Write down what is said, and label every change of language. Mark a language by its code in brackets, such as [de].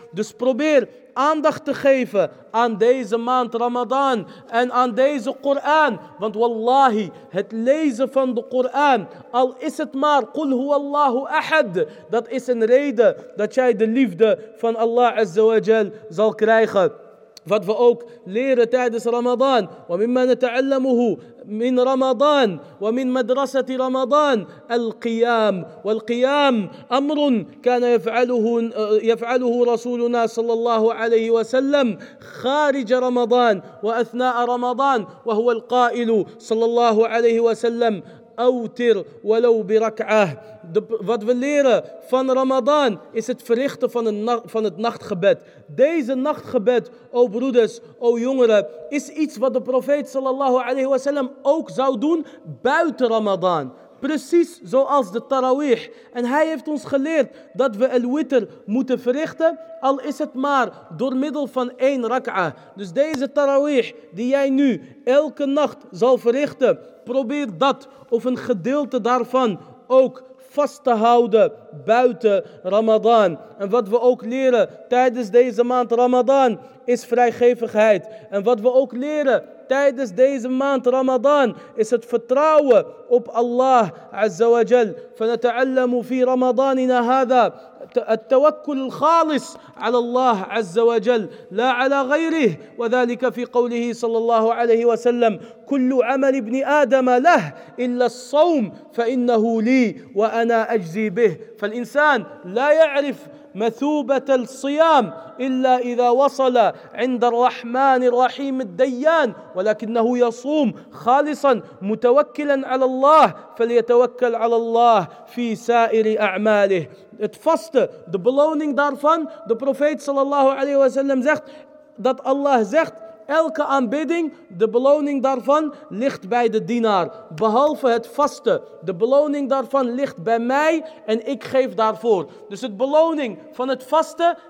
[nl] Dus probeer aandacht te geven aan deze maand Ramadan en aan deze Koran. Want wallahi, het lezen van de Koran, al is het maar [ar] قُلْ هُوَ اللَّهُ أَحَدْ, [nl] dat is een reden dat jij de liefde van Allah Azza wa Jal zal krijgen. Wat we ook leren tijdens Ramadan. [ar] ومما نتعلمه من رمضان ومن مدرسة رمضان القيام. والقيام أمر كان يفعله رسولنا صلى الله عليه وسلم خارج رمضان وأثناء رمضان, وهو القائل صلى الله عليه وسلم أوتر ولو بركعة. [nl] Wat we leren van Ramadan is het verrichten van het nachtgebed. Deze nachtgebed, o broeders, o jongeren, is iets wat de profeet sallallahu alayhi wa sallam ook zou doen buiten Ramadan. Precies zoals de tarawih. En hij heeft ons geleerd dat we al-witr moeten verrichten, al is het maar door middel van één rak'ah. Dus deze tarawih die jij nu elke nacht zal verrichten, probeer dat of een gedeelte daarvan ook vast te houden buiten Ramadan. En wat we ook leren tijdens deze maand Ramadan is vrijgevigheid. En wat we ook leren tijdens deze maand Ramadan is het vertrouwen op Allah Azza wa Jal. [ar] فَنَتَعَلَّمُ فِي رَمَضَانِنَا هَذَا التوكل الخالص على الله عز وجل لا على غيره, وذلك في قوله صلى الله عليه وسلم كل عمل ابن آدم له إلا الصوم فإنه لي وأنا أجزي به. فالإنسان لا يعرف مثوبة الصيام إلا إذا وصل عند الرحمن الرحيم الديان, ولكنه يصوم خالصا متوكلا على الله فليتوكل على الله في سائر أعماله. [nl] Het vaste, de beloning daarvan, de profeet sallallahu alayhi wa sallam zegt, dat Allah zegt, elke aanbidding, de beloning daarvan ligt bij de dienaar. Behalve het vaste, de beloning daarvan ligt bij mij en ik geef daarvoor. Dus het beloning van het vaste